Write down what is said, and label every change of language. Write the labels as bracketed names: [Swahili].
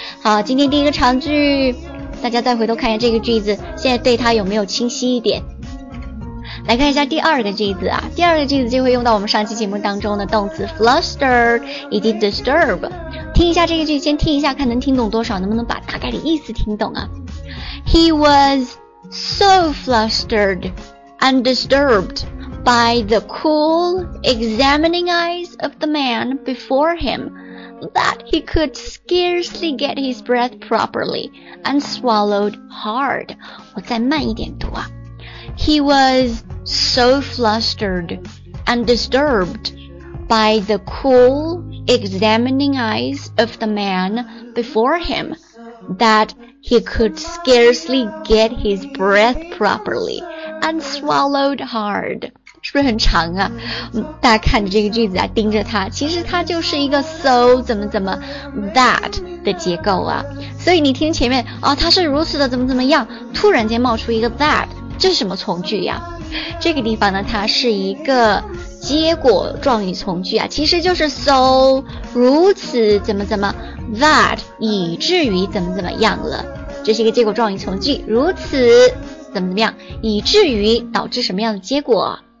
[Chinese] 好，今天第一个长句大家再回头看一下这个句子，现在对他有没有清晰一点。来看一下第二个句子啊，第二个句子就会用到我们上期节目当中的动词 flustered 以及 disturb。听一下这个句子，先听一下看能听懂多少，能不能把大概的意思听懂啊。 [English] He was so flustered and disturbed by the cool examining eyes of the man before himthat he could scarcely get his breath properly and swallowed hard. [Chinese] 我再慢一点读啊。 [English] He was so flustered and disturbed by the cool examining eyes of the man before him that he could scarcely get his breath properly and swallowed hard. [Chinese] 是不是很长啊？大家看着这个句子啊，盯着它，其实它就是一个 so 怎么怎么 that 的结构啊。所以你听前面哦，它是如此的怎么怎么样，突然间冒出一个 that， 这是什么从句呀？这个地方呢，它是一个结果状语从句啊，其实就是 so 如此怎么怎么 that 以至于怎么怎么样了，这是一个结果状语从句，如此怎么怎么样，以至于导致什么样的结果。